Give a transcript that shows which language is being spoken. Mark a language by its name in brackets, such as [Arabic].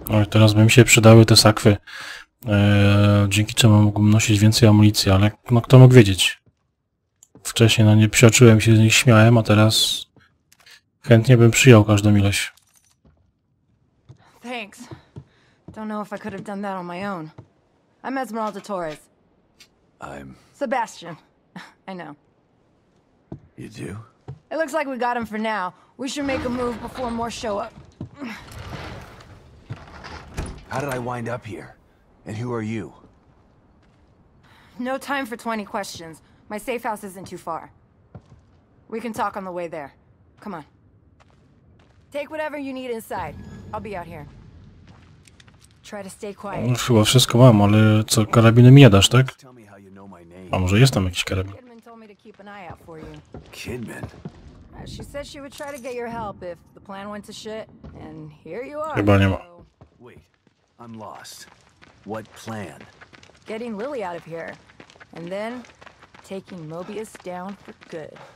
[Polish] Teraz by mi się przydały te sakwy, dzięki czemu mógłbym nosić więcej amunicji, ale no kto mógł wiedzieć. Wcześniej na nie przyoczyłem się z nich śmiałem, a teraz chętnie bym przyjął każdą ileś. [English] Thanks. Don't know if I could have done that on my own. I'm Esmeralda Torres. I'm Sebastian. I know. You do? It looks like we got him for now. We should make a move before more show up. How did I wind up here? And who are you? No time for 20 questions. My safe house isn't too far. We can talk on the way there. Come on. Take whatever you need inside. I'll be out here. Try to stay quiet. [Polish] No, chyba wszystko mam, ale co, karabiny mi nie dasz, tak? A może jest tam jakiś karabin? [English] Kidman told me to keep an eye out for you. Kidman? She said she would try to get your help if the plan went to shit. And here you are. [Polish] Chyba nie ma. [English] I'm lost. What plan? Getting Lily out of here. And then taking Mobius down for good.